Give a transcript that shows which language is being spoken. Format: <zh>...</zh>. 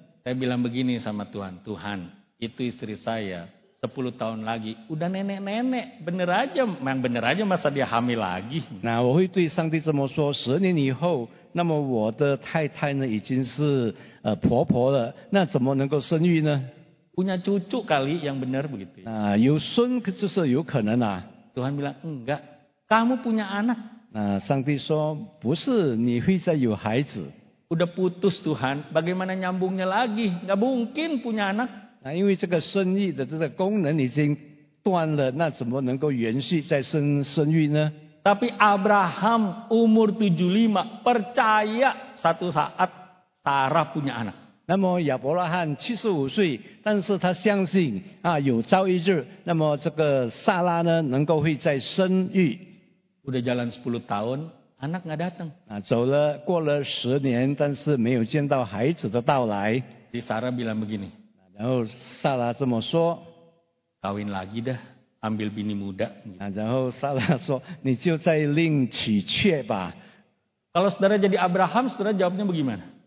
<id>Saya bilang begini sama Tuhan, Tuhan, itu istri saya, 10 tahun lagi, udah nenek-nenek, bener aja, memang bener aja masa dia hamil lagi.</id> <zh>Nah, 我会对上帝这么说, 10年以后, 那么我的太太呢已经是 婆婆了, 那怎么能够生育呢?</zh> <id>Punya cucu kali yang benar begitu.</id> <zh>Nah, 有孙, 就是有可能啊,</zh> <id>Tuhan bilang, enggak, kamu punya anak.</id> <zh>Nah, 上帝说, 不是, 你会再有孩子.</zh> <id>Udah putus Tuhan, bagaimana nyambungnya lagi? Enggak mungkin punya anak.</id> <zh>Nah, 因为这个生育的这个功能已经断了, 那怎么能够延续再生育呢?</zh> <id>Tapi Abraham umur 75 percaya satu saat Sarah punya anak.</id> <zh>那么亚伯拉罕 75岁, 但是他相信, 啊, 有朝一日, 那么这个萨拉呢, 能够会再生育。</zh> <id>Udah jalan 10 tahun, anak gak datang.</id> <zh>啊, 走了, 过了 10年, 但是没有见到孩子的到来。</zh> <id>Jadi Sarah bilang begini,</id> <zh>然后萨拉这么说,</zh> <id>kawin lagi dah, ambil bini muda.</id> <zh>然后萨拉说, 你就再另娶妾吧。</zh> <id>Kalau saudara jadi Abraham, saudara jawabnya bagaimana?</id>